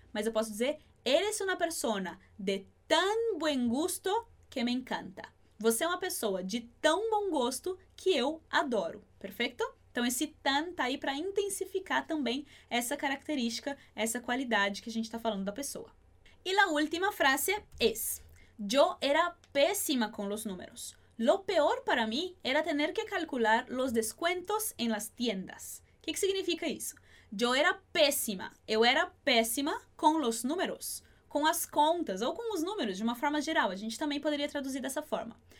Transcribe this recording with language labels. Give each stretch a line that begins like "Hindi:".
Portuguese: Mas eu posso dizer,
Spanish: eres una persona de tan buen gusto que me encanta.
Portuguese: Você é uma pessoa de tão bom gosto que eu adoro, perfeito? Então esse tan tá aí para intensificar também essa característica, essa qualidade que a gente está falando da pessoa. E a última frase é:
Spanish: yo era péssima con los números. Lo peor para mí era tener que calcular los descuentos en las tiendas. ¿Qué significa
Portuguese: isso?
Spanish: Yo era péssima.
Portuguese: Eu era péssima
Spanish: con los números.
Portuguese: Com as contas ou com os números, de uma forma geral. A gente também poderia traduzir dessa forma.